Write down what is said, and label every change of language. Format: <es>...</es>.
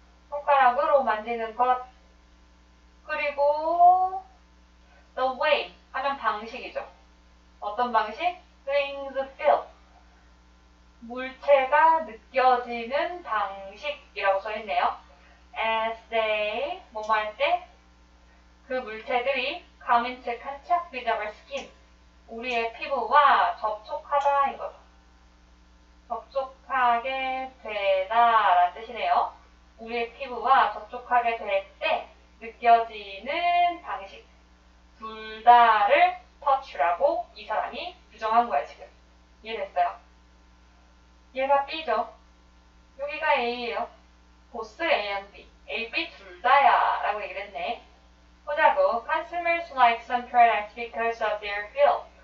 <ko>손가락으로 만지는 것. 그리고</ko> <en>the way</en> <ko>하면 방식이죠. 어떤 방식?</ko> <en>Things feel.</en> <ko>물체가 느껴지는 방식이라고 써있네요.</ko> <en>As they</en> <ko>뭐할때그 물체들이</ko> <en>come into contact with our skin.</en> <ko>우리의 피부와 접촉하다 이거죠. 접촉하게 되다 라는 뜻이네요. 우리의 피부와 접촉하게 될때 느껴지는 방식. 둘 다를 터치라고 이 사람이 규정한 거야, 지금. 이해됐어요? 얘가 B죠. 여기가 A예요. 보스 A and B. A, B 둘 다야 라고 얘기를 했네. 보자고.</ko> <en>Consumers like some products because of their feel.</en>